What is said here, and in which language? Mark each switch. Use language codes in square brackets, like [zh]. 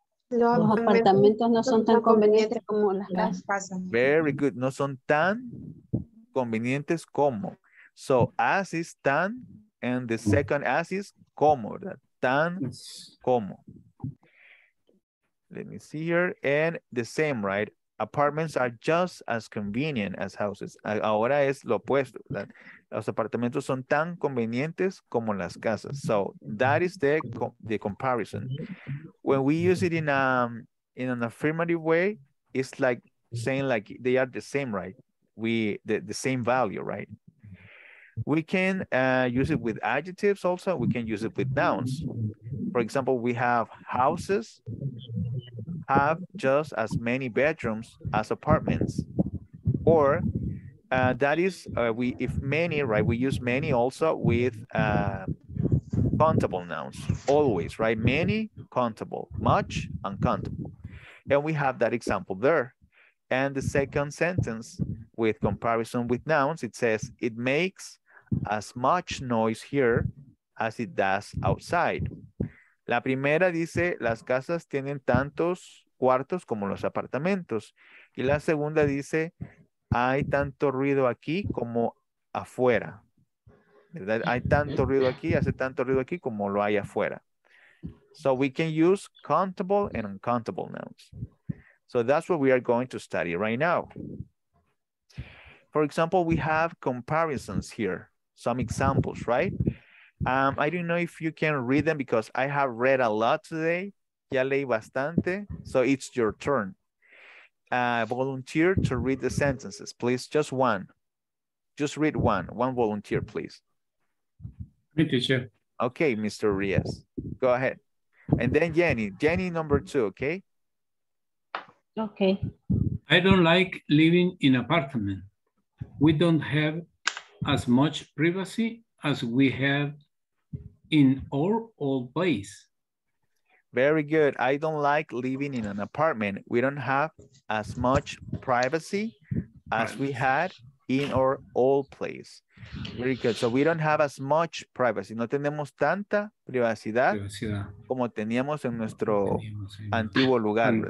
[es] Los apartamentos no son tan convenientes como las casas. [en] Very good. [es] No son tan convenientes como. [en] So, as is tan, and the second as is como, ¿verdad? [es] Tan como. [en] Let me see here. And the same, right? Apartments are just as convenient as houses. [es] Ahora es lo opuesto. ¿Verdad? Los apartamentos son tan convenientes como las casas. [en] So that is the comparison. When we use it in an affirmative way, it's like saying like they are the same, right? The same value, right? We can use it with adjectives also. We can use it with nouns. For example, we have houses have just as many bedrooms as apartments. Or That is, we use many also with countable nouns, always, right? Many, countable, much, uncountable. And we have that example there. And the second sentence with comparison with nouns, it says, it makes as much noise here as it does outside. [es] La primera dice, las casas tienen tantos cuartos como los apartamentos. Y la segunda dice, hay tanto ruido aquí como afuera. ¿Verdad? Hay tanto ruido aquí, hace tanto ruido aquí como lo hay afuera. [en] So we can use countable and uncountable nouns. So that's what we are going to study right now. For example, we have comparisons here. Some examples, right? I don't know if you can read them because I have read a lot today. [es] Ya leí bastante. [en] So it's your turn. Volunteer to read the sentences, please. Just one. Just read one. One volunteer, please. Me, teacher. Okay, Mr. Rios. Go ahead. And then Jenny. Jenny, number two, okay? Okay. I don't like living in apartment. We don't have as much privacy as we have in our old place. Very good. I don't like living in an apartment. We don't have as much privacy as we had in our old place. Very good. So we don't have as much privacy. [es] No tenemos tanta privacidad como teníamos en nuestro antiguo lugar.